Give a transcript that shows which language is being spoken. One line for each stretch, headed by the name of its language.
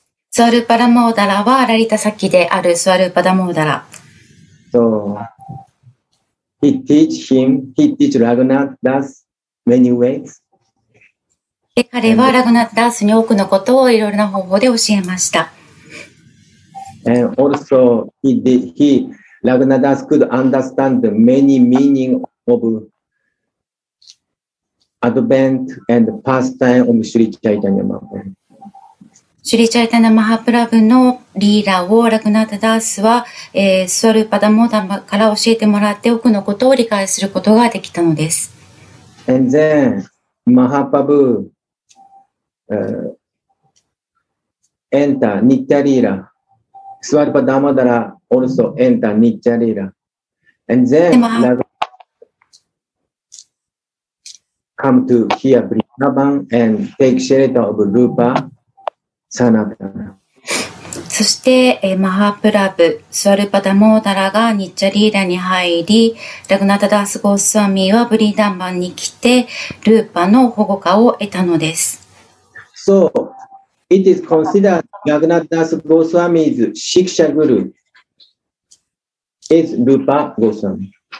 Japanese: スワルパダモダラはラリタサキであるスワルパダモダラ。
English: So, he teach him, he teach Raghunath Das many ways.
Japanese: で、彼はラグナダスに多くのことをいろいろな方法で教えました。
English: And also, he did, he, Raghunath Das could understand the many meaning of advent and pastime of Sri Chaitanya Mahaprabhu.
Japanese: シュリチャイタナ・マハプラブのリーラをラグナタ・ダースは、スワルパダモーダマから教えてもらって多くのことを理解することができたのです。
English: And then, マハプラブ、enter ニッチャリーラ。スワルパダモーダラ also enter ニッチャリーラ。 And then, come to here Vrindavan and take shelter of Rupa. サナタ
Japanese: そして、マハプラブ、スワルパダモーダラがニッチャリーラに入り、ラグナタダースゴースワミはブリーダンバンに来て、ルーパの保護下を得たのです。
English: So, it is considered ラグナタダースゴースワミ is シクシャグル is ルーパゴースワミ。